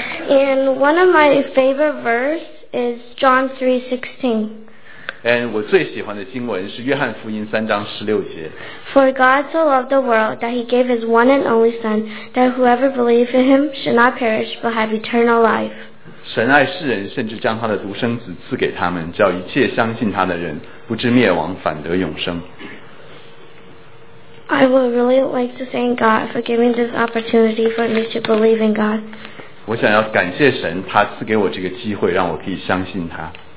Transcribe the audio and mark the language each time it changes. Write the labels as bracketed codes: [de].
[en] And one of my favorite verse is John 3:16. [zh] And 我最喜欢的经文是约翰福音三章十六节。 [en] For God so loved the world that he gave his one and only son, that whoever believes in him should not perish but have eternal life. [zh] 神爱世人，甚至将他的独生子赐给他们，叫一切相信他的人不至灭亡，反得永生。 [en] I would really like to thank God for giving this opportunity for me to believe in God. [zh] 我想要感谢神，他赐给我这个机会，让我可以相信他。